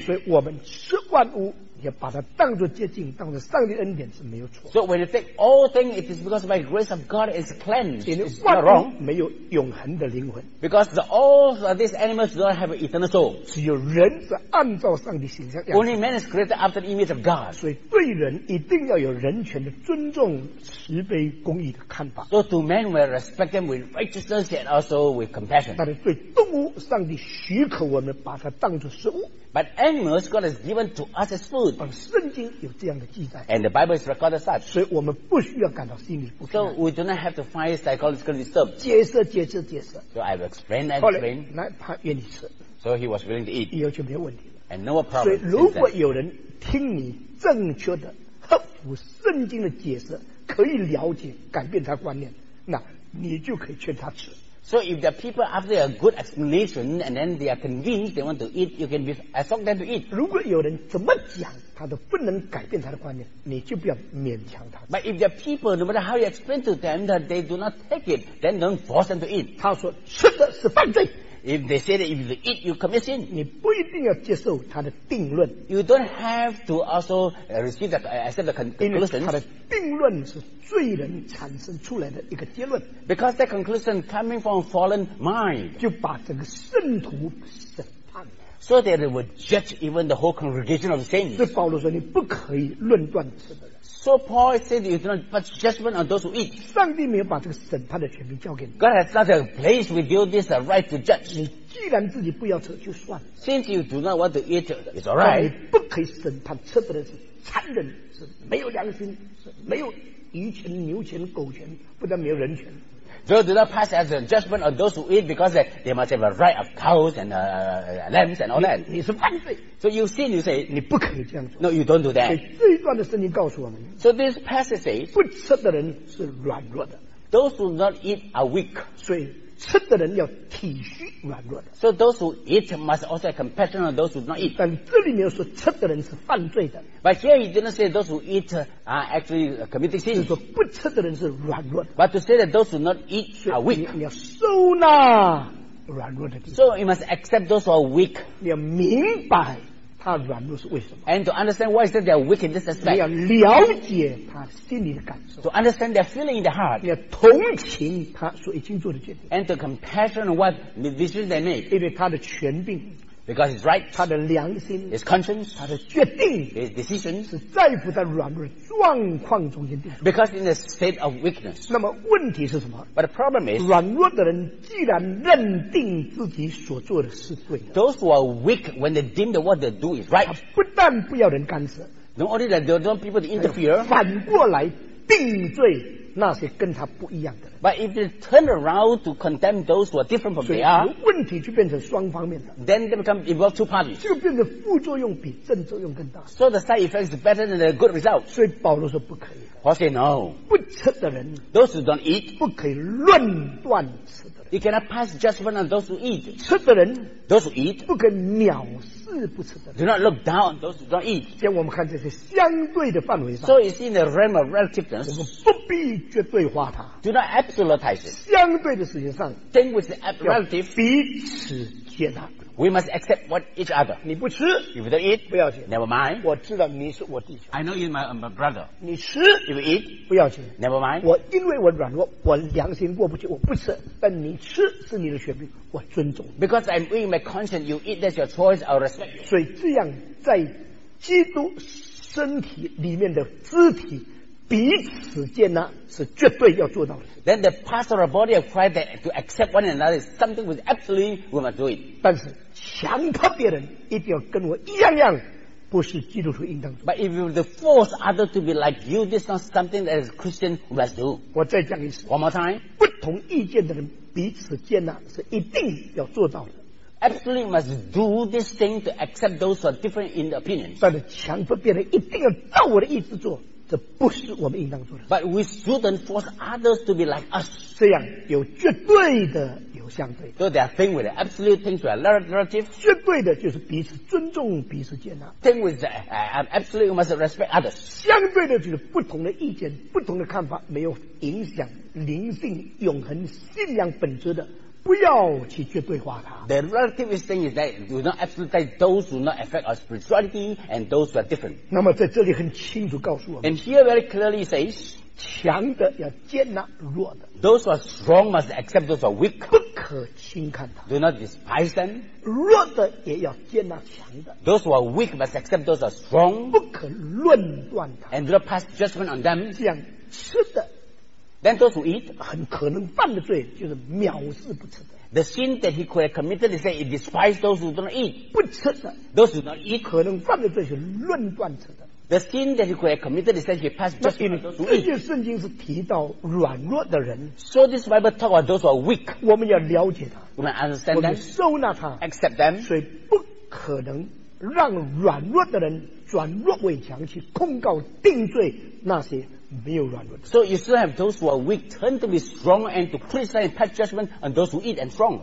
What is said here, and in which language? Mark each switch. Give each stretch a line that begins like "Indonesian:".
Chinese: 所以我们吃万物也把它当作接近，当作上帝恩典是没有错。
English: So when you take all things, it is because by grace of God is cleansed.
Chinese: 因为万物没有永恒的灵魂。
English: Because all of these animals do not have an eternal soul.
Chinese: 只有人是按照上帝形象。
English: Only man is created after the image of God.
Chinese: 所以对人一定要有人权的尊重、慈悲、公义的看法。
English: So to men, we respect them with righteousness and also with compassion.
Chinese: 但是对动物，上帝许可我们把它当作食物。
English: But animals, God has given to us as food.
Chinese: 圣经有这样的记载
English: and the Bible is recorded such
Chinese: 所以我们不需要感到心里不平
English: so we do not have to find psychological disturb
Chinese: 解释
English: so I have explained and explained
Chinese: 那他愿意吃
English: so he was willing to eat
Chinese: 以后就没有问题
English: and no problem
Chinese: 所以如果有人听你正确的合乎圣经的解释可以了解改变他观念那你就可以劝他吃
English: So if the people after a good explanation and then they are convinced they want to eat, you can ask them to eat.
Chinese: 如果有人怎么讲他都不能改变他的观念，你就不要勉强他。
English: But if the people, no matter how you explain to them that they do not take it, then don't force them to eat.
Chinese: 他说吃的是犯罪。
English: If they say that if you eat, you commit sin.
Chinese: 你不一定要接受他的定论。
English: You don't have to also receive that accept the conclusion.
Chinese: 他的定论是罪人产生出来的一个结论。
English: Because that conclusion coming from fallen mind.
Chinese: 就把整个圣徒审判。
English: So that they would judge even the whole congregation of saints.
Chinese: 所以保罗说你不可以论断吃的人。
English: So Paul said you do not pass judgment on those who eat.
Chinese: 上帝没有把这个审判的权柄交给你。
English: God has not placed with you this right to judge.
Chinese: 你既然自己不要吃，就算了。
English: Since you do not want to eat, it's all right.
Chinese: 你不可以审判吃的人是残忍，是没有良心，是没有鱼权、牛权、狗权，不但没有人权。
English: So do not pass as a judgment on those who eat because they must have a right of cows and lambs and all that.
Chinese: 你是犯罪。
English: So you sin, you say,
Chinese: 你不可以这样做。
English: No, you don't do that.
Chinese: 这一段的圣经告诉我们。
English: So this passage says,
Chinese: 不吃的人是软弱的。
English: Those who not eat are weak.
Chinese: 所以吃的人要体恤软弱的。
English: So those who eat must also have compassion on those who not eat.
Chinese: 但这里面说吃的人是犯罪的。
English: But here he didn't say those who eat are actually committing sin.
Chinese: 就说不吃的人是软弱的。
English: But to say that those who not eat are weak.
Chinese: 你要收纳软弱的。
English: So you must accept those who are weak.
Chinese: 你要明白他软弱是为什么。
English: And to understand why is that they are weak in this aspect.
Chinese: 你要了解他心里的感受。
English: To understand their feeling in the heart.
Chinese: 你要同情他所已经做的决定。
English: And to compassion what decision they make.
Chinese: 因为他的权柄。
English: Because it's right.
Chinese: 他的良心。
English: His conscience.
Chinese: 他的决定。
English: His decision.
Chinese: 是在乎在软弱状况中间。
English: Because in the state of weakness.
Chinese: 那么问题是什么？
English: But the problem is.
Chinese: 软弱的人既然认定自己所做的是对的。
English: Those who are weak when they deem that what they do is right.
Chinese: 他不但不要人干涉。
English: Not only that they don't want people to interfere.
Chinese: 反过来定罪那些跟他不一样的人。
English: But if they turn around to condemn those who are different from they are,
Chinese: 所以问题就变成双方面的。
English: Then they become involved two parties.
Chinese: 就变成副作用比正作用更大。
English: So the side effect is better than the good result.
Chinese: 所以保罗说不可以。
English: Paul say no.
Chinese: 不吃的人。
English: Those who don't eat.
Chinese: 不可以论断吃的人。
English: You cannot pass judgment on those who eat.
Chinese: 吃的人。
English: Those who eat.
Chinese: 不可藐视。
English: Do not look down on those who don't eat.
Chinese: 像我们看这些相对的范围上。
English: So it's in the realm of relativeness.
Chinese: 我们不必绝对化它。
English: Do not absolutize it.
Chinese: 相对的事情上。
English: Then with the relative.
Chinese: 彼此接纳。
English: We must accept what each other.
Chinese: 你不吃。
English: If you don't eat.
Chinese: 不要紧。
English: Never mind.
Chinese: 我知道你是我弟兄。
English: I know you're my brother.
Chinese: 你吃。
English: If you eat.
Chinese: 不要紧。
English: Never mind.
Chinese: 我因为我软弱，我良心过不去，我不吃。但你吃是你的权利，我尊重。
English: Because I'm weighing my conscience, you eat, that's your choice, I'll respect you.
Chinese: 所以这样在基督身体里面的肢体彼此接纳是绝对要做到的。
English: Then the part of the body of Christ that to accept one another is something which absolutely we must do it.
Chinese: 但是强迫别人一定要跟我一样样，不是基督徒应当做。
English: But if you force others to be like you, this is not something that a Christian must do.
Chinese: 我再讲一次。
English: One more time.
Chinese: 不同意见的人彼此接纳是一定要做到的。
English: Absolutely must do this thing to accept those who are different in the opinion.
Chinese: 但是强迫别人一定要照我的意思做。这不是我们应当做的。
English: But we shouldn't force others to be like us.
Chinese: 这样有绝对的，有相对的。
English: So there are things with absolute things with relative.
Chinese: 绝对的就是彼此尊重，彼此接纳。
English: Thing with absolute, we must respect others.
Chinese: 相对的就是不同的意见，不同的看法，没有影响灵性、永恒、信仰本质的，不要去绝对化它。
English: The relative thing is that do not absolute those who not affect our spirituality and those who are different.
Chinese: 那么在这里很清楚告诉我们。
English: And here very clearly says,
Chinese: 强的要接纳弱的。
English: Those who are strong must accept those who are weak.
Chinese: 不可轻看它。
English: Do not despise them.
Chinese: 弱的也要接纳强的。
English: Those who are weak must accept those who are strong.
Chinese: 不可论断它。
English: And do not pass judgment on them.
Chinese: 这样吃的。
English: Then those who eat,
Chinese: 很可能犯的罪就是藐视不吃的。
English: The sin that he could have committed is that he despised those who do not eat.
Chinese: 不吃的。
English: Those who do not eat,
Chinese: 可能犯的罪是论断吃的。
English: The sin that he could have committed is that he passed judgment on those who eat.
Chinese: 这些圣经是提到软弱的人。
English: So this Bible talks about those who are weak.
Chinese: 我们要了解他。
English: We must understand them.
Chinese: 我们收纳他。
English: Accept them.
Chinese: 所以不可能让软弱的人转弱为强去控告定罪那些。没有软弱的。
English: So you still have those who are weak turn to be strong and to criticize and pass judgment on those who eat and strong.